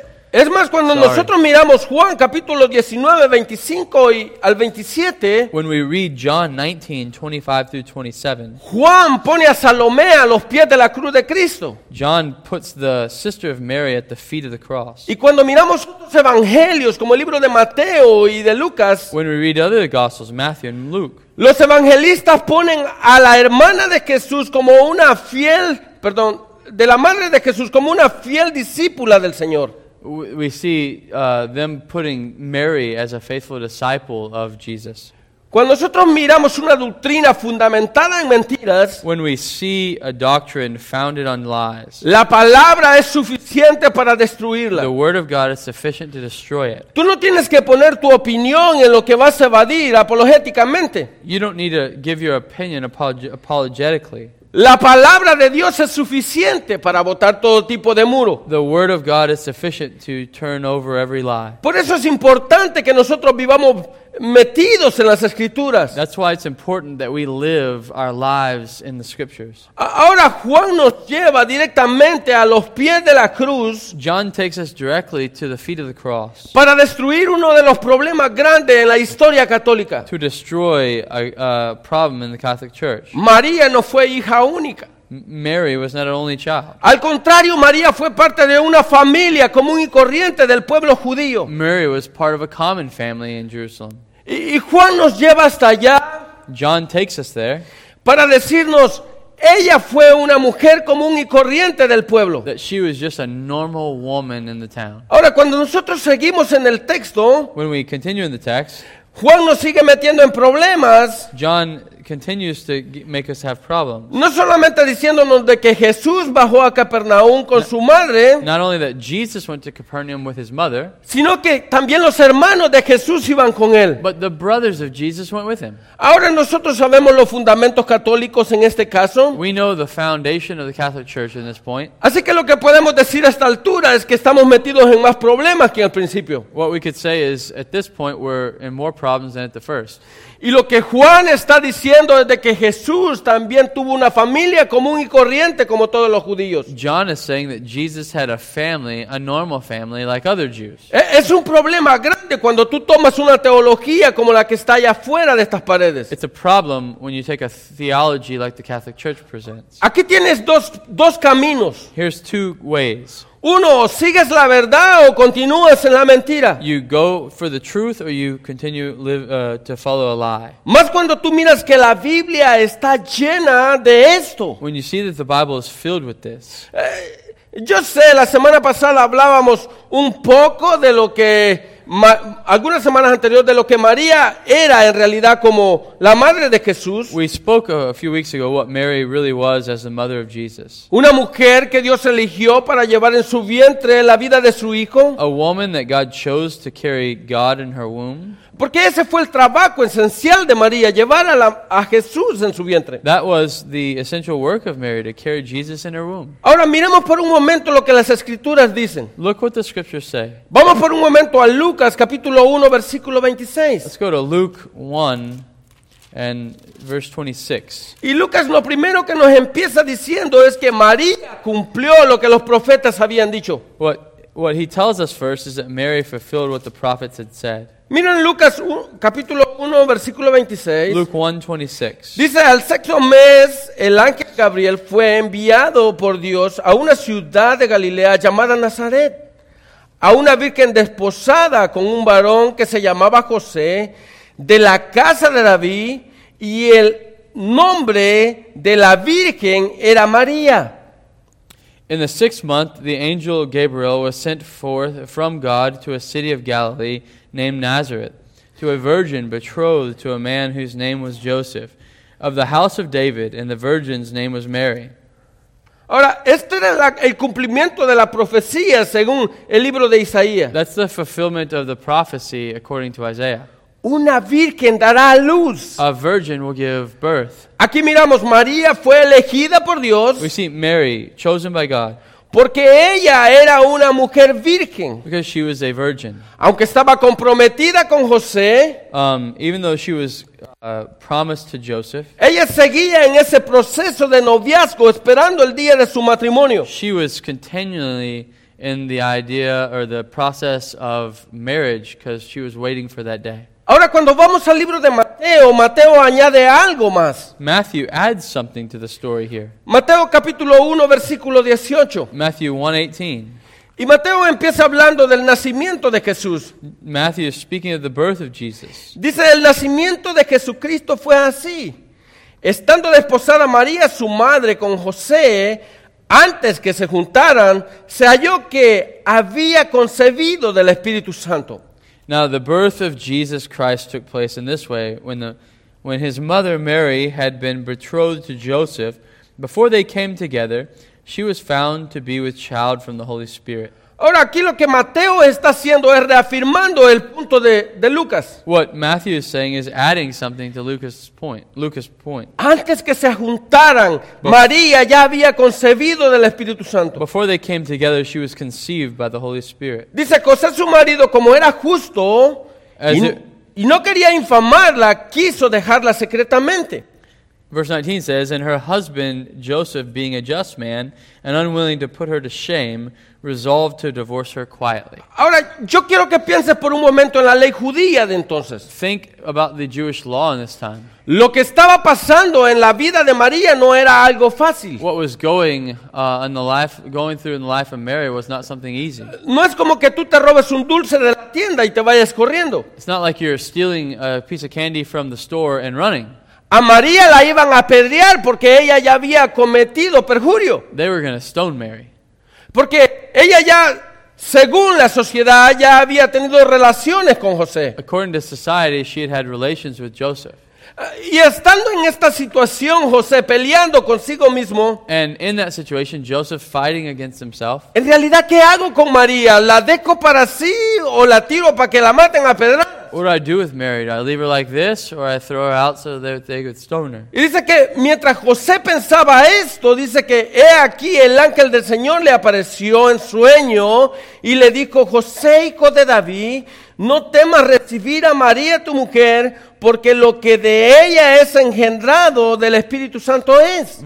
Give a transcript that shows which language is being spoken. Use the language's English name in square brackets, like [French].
[Spanish] Es más, cuando nosotros miramos Juan capítulo 19, 25 y al 27, [English] when we read John 19, 25 through 27, [Spanish] Juan pone a Salomé a los pies de la cruz de Cristo. [English] John puts the sister of Mary at the feet of the cross. [Spanish] Y cuando miramos otros evangelios como el libro de Mateo y de Lucas, [English] when we read other gospels, Matthew and Luke, [Spanish] los evangelistas ponen a la hermana de Jesús como una fiel, perdón, de la madre de Jesús como una fiel discípula del Señor. [English] We see them putting Mary as a faithful disciple of Jesus. [Spanish] Cuando nosotros miramos una doctrina fundamentada en mentiras, [English] when we see a doctrine founded on lies, [Spanish] la palabra es suficiente para destruirla. [English] The word of God is sufficient to destroy it. [Spanish] Tú no tienes que poner tu opinión en lo que vas a evadir apologéticamente. [English] You don't need to give your opinion apologetically. [Spanish] La palabra de Dios es suficiente para botar todo tipo de muro. [English] The word of God is sufficient to turn over every lie. [Spanish] Por eso es importante que nosotros vivamos metidos en las escrituras. [English] That's why it's important that we live our lives in the scriptures. [Spanish] Ahora Juan nos lleva directamente a los pies de la cruz. [English] John takes us directly to the feet of the cross. [Spanish] Para destruir uno de los problemas grandes en la historia católica. [English] To destroy a problem in the Catholic Church. [Spanish] María no fue hija única. [English] Mary was not an only child. [Spanish] Al contrario, María fue parte de una familia común y corriente del pueblo judío. [English] Mary was part of a common family in Jerusalem. [Spanish] Y Juan nos lleva hasta allá. [English] John takes us there. [Spanish] Para decirnos, ella fue una mujer común y corriente del pueblo. [English] That she was just a normal woman in the town. [Spanish] Ahora, cuando nosotros seguimos en el texto, [English] when we continue in the text, [Spanish] Juan nos sigue metiendo en problemas. [English] John continues to make us have problems. [Spanish] No solamente diciéndonos de que Jesús bajó a Capernaum con su madre. [English] Not only that Jesus went to Capernaum with his mother. [Spanish] Sino que también los hermanos de Jesús iban con él. [English] But the brothers of Jesus went with him. [Spanish] Ahora nosotros sabemos los fundamentos católicos en este caso. [English] We know the foundation of the Catholic Church in this point. [Spanish] Así que lo que podemos decir a esta altura es que estamos metidos en más problemas que al principio. [English] What we could say is at this point we're in more problems than at the first. [Spanish] Y lo que Juan está diciendo es de que Jesús también tuvo una familia común y corriente como todos los judíos. [English] John is saying that Jesus had a family, a normal family like other Jews. [Spanish] Es un problema grande cuando tú tomas una teología como la que está allá afuera de estas paredes. [English] It's a problem when you take a theology like the Catholic Church presents. [Spanish] Aquí tienes dos caminos. [English] Here's two ways. [Spanish] Uno, sigues la verdad o continúas en la mentira. [English] You go for the truth or you continue to follow a lie. [Spanish] Más cuando tú miras que la Biblia está llena de esto. [English] When you see that the Bible is filled with this. [Spanish] Yo sé, la semana pasada hablábamos un poco de lo que algunas semanas anteriores de lo que María era en realidad como la madre de Jesús. [English] We spoke a few weeks ago what Mary really was as the mother of Jesus. [Spanish] Una mujer que Dios eligió para llevar en su vientre la vida de su hijo. [English] A woman that God chose to carry God in her womb. [Spanish] Porque ese fue el trabajo esencial de María, llevar a Jesús en su vientre. [English] That was the essential work of Mary, to carry Jesus in her womb. [Spanish] Ahora miremos por un momento lo que las escrituras dicen. [English] Look what the scriptures say. [Spanish] Vamos por un momento a Lucas capítulo 1 versículo 26. [English] Let's go to Luke 1 and verse 26. [Spanish] Y Lucas lo primero que nos empieza diciendo es que María cumplió lo que los profetas habían dicho. [English] What he tells us first is that Mary fulfilled what the prophets had said. [Spanish] Miren Lucas capítulo 1 versículo 26. [English] Luke 1:26. [Spanish] Dice, al sexto mes el ángel Gabriel fue enviado por Dios a una ciudad de Galilea llamada Nazaret, a una virgen desposada con un varón que se llamaba José, de la casa de David, y el nombre de la virgen era María. [English] In the sixth month, the angel Gabriel was sent forth from God to a city of Galilee named Nazareth, to a virgin betrothed to a man whose name was Joseph, of the house of David, and the virgin's name was Mary. [Spanish] Ahora, este era el cumplimiento de la profecía según el libro de Isaías. [English] That's the fulfillment of the prophecy according to Isaiah. [Spanish] Una virgen dará a luz. [English] A virgin will give birth. [Spanish] Aquí miramos, María fue elegida por Dios. [English] We see Mary, chosen by God. [Spanish] Porque ella era una mujer virgen. [English] Because she was a virgin. [Spanish] Aunque estaba comprometida con José. [English] Even though she was promised to Joseph. [Spanish] Ella seguía en ese proceso de noviazgo esperando el día de su matrimonio. [English] She was continually in the idea or the process of marriage because she was waiting for that day. [Spanish] Ahora cuando vamos al libro de Mateo, Mateo añade algo más. [English] Matthew adds something to the story here. [Spanish] Mateo capítulo 1 versículo 18. [English] Matthew 1:18. [Spanish] Y Mateo empieza hablando del nacimiento de Jesús. [English] Matthew is speaking of the birth of Jesus. [Spanish] Dice, el nacimiento de Jesucristo fue así. Estando desposada María, su madre, con José, antes que se juntaran, se halló que había concebido del Espíritu Santo. [English] Now the birth of Jesus Christ took place in this way, when his mother Mary had been betrothed to Joseph, before they came together, she was found to be with child from the Holy Spirit. [Spanish] Ahora aquí lo que Mateo está haciendo es reafirmando el punto de Lucas. [English] What Matthew is saying is adding something to Lucas' point. [Spanish] Antes que se juntaran, María ya había concebido del Espíritu Santo. [English] Before they came together, she was conceived by the Holy Spirit. [Spanish] Dice, José su marido, como era justo, y no quería infamarla, quiso dejarla secretamente. [English] Verse 19 says, and her husband, Joseph, being a just man, and unwilling to put her to shame, resolved to divorce her quietly. [Spanish] Ahora, yo quiero que pienses por un momento en la ley judía de entonces. [English] Think about the Jewish law in this time. [Spanish] Lo que estaba pasando en la vida de María no era algo fácil. [English] What was going through in the life of Mary was not something easy. [Spanish] No es como que tú te robes un dulce de la tienda y te vayas corriendo. [English] It's not like you're stealing a piece of candy from the store and running. [Spanish] A María la iban a apedrear porque ella ya había cometido perjurio. [English] They were going to stone Mary. [Spanish] Porque ella ya, según la sociedad, ya había tenido relaciones con José. [English] According to society, she had relations with Joseph. [Spanish] Y estando en esta situación, José, peleando consigo mismo. [English] And in that situation, Joseph fighting against himself. [Spanish] En realidad, ¿qué hago con María? ¿La dejo para sí o la tiro para que la maten a pedrar? [English] What do I do with Mary? Do I leave her like this, or I throw her out so that they could stone her? [Spanish] Y dice que mientras José pensaba esto, dice que he aquí el ángel del Señor le apareció en sueño y le dijo, José, hijo de David, no temas recibir a María tu mujer, porque lo que de ella es engendrado del Espíritu Santo es.